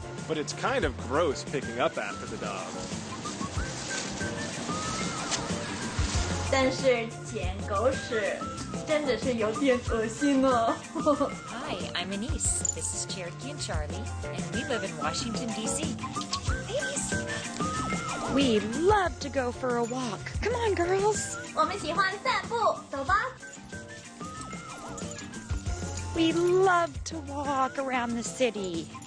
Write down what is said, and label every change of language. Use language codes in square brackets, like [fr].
[en] But it's kind of gross picking up after the dog. [zh] 但是捡狗屎真的是有点恶心哦。 [en] Hi, I'm Anise. This is Cherokee and Charlie, and we live in Washington, D.C. Anise, we love to go for a walk. Come on, girls. [zh] 我们喜欢散步，走吧。 [en] We love to walk around the city.